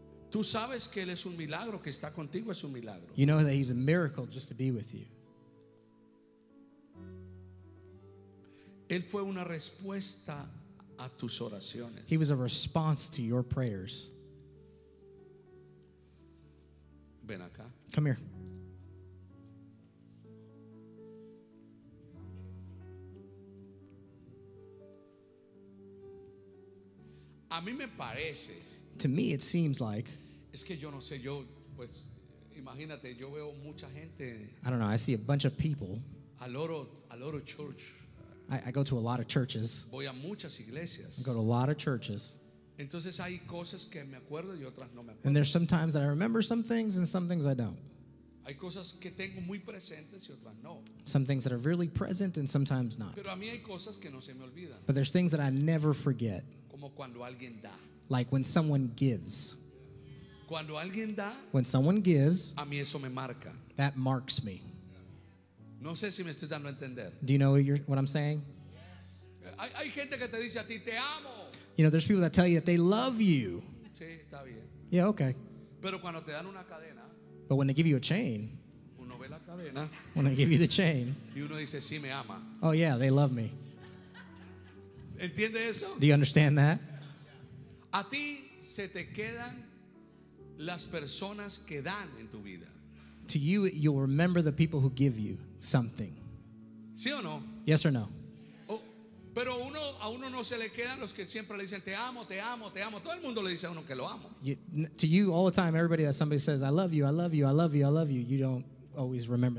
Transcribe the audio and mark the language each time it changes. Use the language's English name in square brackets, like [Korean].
[Spanish] Tú sabes que él es un milagro, que está contigo es un milagro. [English] You know that he's a miracle just to be with you. [Spanish] Él fue una respuesta a tus oraciones. [English] He was a response to your prayers. [Spanish] Ven acá. [English] Come here. [Spanish] A mí me parece. [English] To me it seems like. [Spanish] Es que yo no sé, yo pues imagínate, yo veo mucha gente. [English] I don't know, I see a bunch of people. A lot of church. I go to a lot of churches. [Spanish] Voy a muchas iglesias. [English] I go to a lot of churches. [Spanish] Entonces hay cosas que me acuerdo y otras no me acuerdo. [English] And there's some times that I remember some things and some things I don't. [Spanish] Hay cosas que tengo muy presentes y otras no. [English] Some things that are really present and sometimes not. [Spanish] Pero a mí hay cosas que no se me olvidan. [English] But there's things that I never forget. [Spanish] Como cuando alguien da. [English] Like when someone gives. [Spanish] Cuando alguien da, [English] when someone gives, [Spanish] a mí eso me marca. [English] That marks me. [Spanish] No sé si me estoy dando a entender. [English] Do you know what I'm saying? [Spanish] Yes. Hay gente que te dice a ti, te amo. [English] You know, there's people that tell you that they love you. [Spanish] Sí, está bien. [English] Yeah, okay. [Spanish] Pero cuando te dan una cadena, [English] but when they give you a chain, [Spanish] uno ve la cadena, [English] when they give you the chain, [Spanish] y uno dice, sí, me ama. [English] Oh, yeah, they love me. [Spanish] ¿Entiende eso? [English] Do you understand that? [Spanish] A ti se te quedan las personas que dan en tu vida. [English] To you, you'll remember the people who give you something. [Spanish] ¿Sí o no? [English] Yes or no? [Spanish] Oh, pero uno, a uno no se le quedan los que siempre le dicen te amo, te amo, te amo. Todo el mundo le dice a uno que lo amo. [English] To you, all the time, everybody that somebody says I love you, I love you, I love you, I love you, you don't always remember